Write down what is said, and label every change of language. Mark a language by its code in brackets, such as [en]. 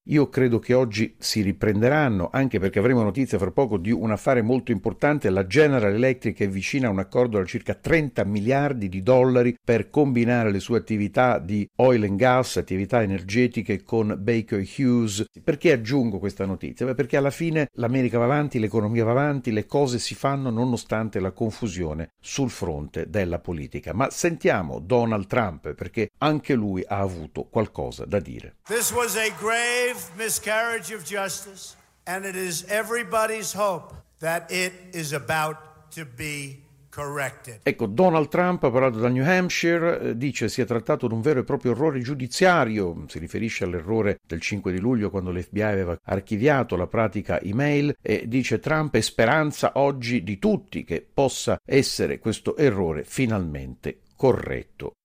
[it] Io credo che oggi si riprenderanno, anche perché avremo notizia fra poco di un affare molto importante, la General Electric è vicina a un accordo da circa 30 miliardi di dollari per combinare le sue attività di oil and gas, attività energetiche con Baker Hughes. Perché aggiungo questa notizia? Beh, perché alla fine l'America va avanti, l'economia va avanti, le cose si fanno nonostante la confusione sul fronte della politica. Ma sentiamo Donald Trump, perché anche lui ha avuto qualcosa da dire. [en] This was a grave miscarriage of justice, and it is everybody's hope that it is about to be corrected. [it] Ecco, Donald Trump ha parlato dal New Hampshire, dice si è trattato di un vero e proprio errore giudiziario, si riferisce all'errore del 5 di luglio quando l'FBI aveva archiviato la pratica email, e dice Trump è speranza oggi di tutti che possa essere questo errore finalmente corretto.